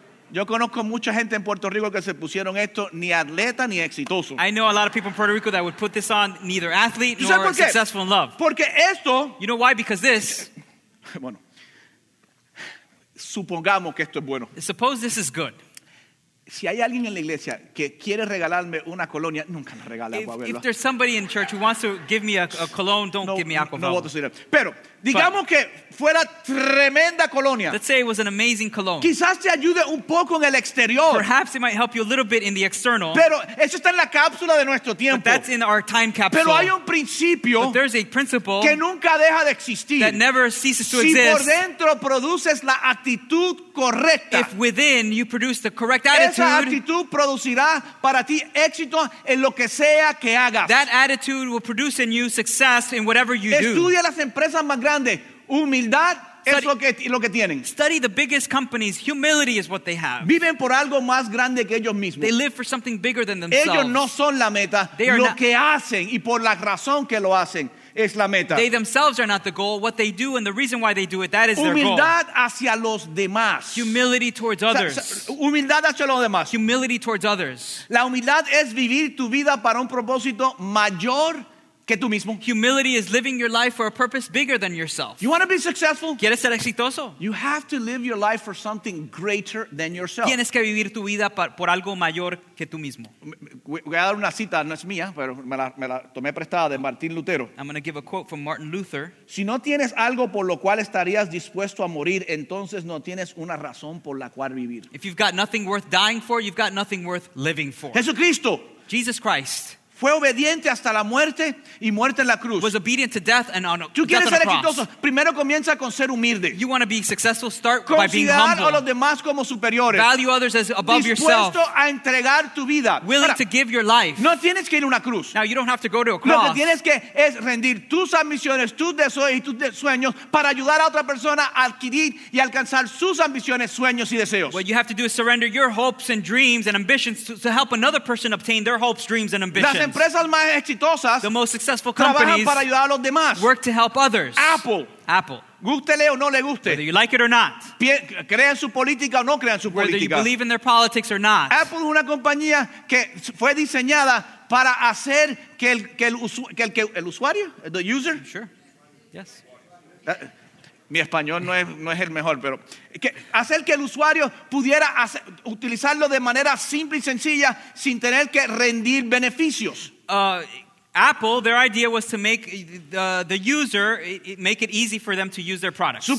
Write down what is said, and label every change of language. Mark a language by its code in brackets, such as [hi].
[es] Yo conozco mucha gente en Puerto Rico que se pusieron esto, ni atleta ni exitoso. [en] I know a lot of people in Puerto Rico that would put this on, neither athlete nor successful in love. [es] Porque esto, [en] you know why? Because this. [es] Bueno, supongamos que esto es bueno. [en] Suppose this is good. [es] Si hay alguien en la iglesia que quiere regalarme una colonia, nunca me regala Aquavelva. [en] If there's somebody in church who wants to give me a cologne, don't [es] no, [en] give me Aquavelva. [es] No voto sin él. Pero digamos que fuera tremenda colonia. [en] Let's say it was an amazing cologne. [es] Quizás te ayude un poco en el exterior. [en] Perhaps it might help you a little bit in the external. [es] Pero eso está en la cápsula de nuestro tiempo. [en] But that's in our time capsule. [es] Pero hay un principio. [en] But there's a principle [es] que nunca deja de existir. [en] That never ceases to [es] si [en] exist. [es] Si por dentro produces la actitud correcta. [en] If within you produce the correct attitude. [es] Esa actitud producirá para ti éxito en lo que sea que hagas. [en] That attitude will produce in you success in whatever you [es] estudia Estudia las empresas más grandes. Humildad es lo que tienen. [en] Study the biggest companies. Humility is what they have. [es] Viven por algo más grande que ellos mismos. [en] They live for something bigger than themselves. [es] Ellos no son la meta. Lo que hacen y por la razón que lo hacen es la meta. [en] They themselves are not the goal. What they do and the reason why they do it, that is [es] humildad [en] their goal. [es] Humildad hacia los demás. [en] Humility towards others. [es] Humildad hacia los demás. [en] Humility towards others. [es] La humildad es vivir tu vida para un propósito mayor que tú mismo. [en] Humility is living your life for a purpose bigger than yourself. You want to be successful? [es] ¿Quieres ser exitoso? [en] You have to live your life for something greater than yourself. [es] Tienes que vivir tu vida por algo mayor que tú mismo. Voy a dar una cita, no es mía, pero me la tomé prestada de Martín Lutero. [en] I'm going to give a quote from Martin Luther. [es] Si no tienes algo por lo cual estarías dispuesto a morir, entonces no tienes una razón por la cual vivir. [en] If you've got nothing worth dying for, you've got nothing worth living for. [es] Jesucristo. [en] Jesus Christ. [es] Fue obediente hasta la muerte y muerte en la cruz. [en] Was obedient to death and on a cross. [es] Tú quieres ser exitoso. Primero comienza con ser humilde. [en] You want to be successful, start by being humble. [es] Considerar a los demás como superiores. [en] Value others as above yourself. [es] Dispuesto a entregar tu vida. [en] Willing to give your life. [es] No tienes que ir a una cruz. [en] Now you don't have to go to a cross. [es] Lo que tienes que es rendir tus ambiciones, tus deseos y tus sueños para ayudar a otra persona a adquirir y alcanzar sus ambiciones, sueños y deseos. [en] What you have to do is surrender your hopes and dreams and ambitions to help another person obtain their hopes, dreams and ambitions. [es] Empresas más exitosas, [en] the most successful companies, [es] para ayudar a los demás. [en] Work to help others. Apple. [es] Gústele o no le guste. [en] Whether you like it or not. [es] Crea en su política o no crea en su [en] Whether [es] política. [en] You believe in their politics or not. [es] Apple es una compañía que fue diseñada para hacer que el usuario, [en] the user. I'm sure. Yes. [es] Mi español no es el mejor, pero que hacer que el usuario pudiera utilizarlo de manera simple y sencilla sin tener que rendir beneficios. [en] Apple, their idea was to make the user make it easy for them to use their products.